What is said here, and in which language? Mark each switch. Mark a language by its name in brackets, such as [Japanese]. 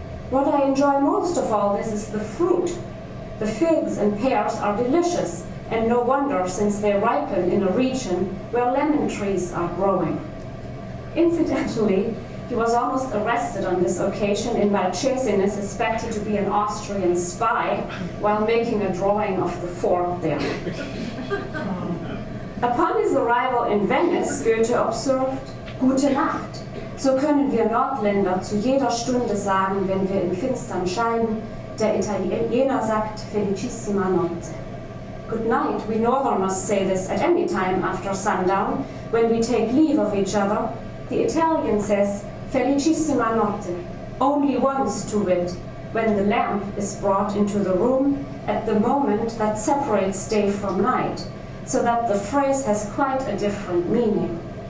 [English] What I enjoy most of all this is the fruit. The figs and pears are delicious, and no wonder since they ripen in a region where lemon trees are growing. Incidentally, he was almost arrested on this occasion in Valcesine, suspected to be an Austrian spy while making a drawing of the fort there. Upon his arrival in Venice, Goethe observed, [German] Gute Nacht, so können wir Nordländer zu jeder Stunde sagen, wenn wir im Finstern scheinen, der Italiener sagt, [Italian] Felicissima Notte. [English] Good night, we Northerners say this at any time after sundown, when we take leave of each other, the Italian says, [Italian] Felicissima notte, [English] only once to wit, when the lamp is brought into the room at the moment that separates day from night, so that the phrase has quite a different meaning.